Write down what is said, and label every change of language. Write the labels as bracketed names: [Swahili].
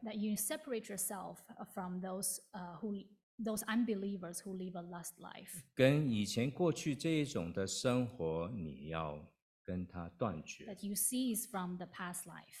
[English] That you separate yourself from those unbelievers who live a lust life. [Chinese] 跟以前过去这一种的生活，你要。跟他断绝。 [English] That you cease from the past life.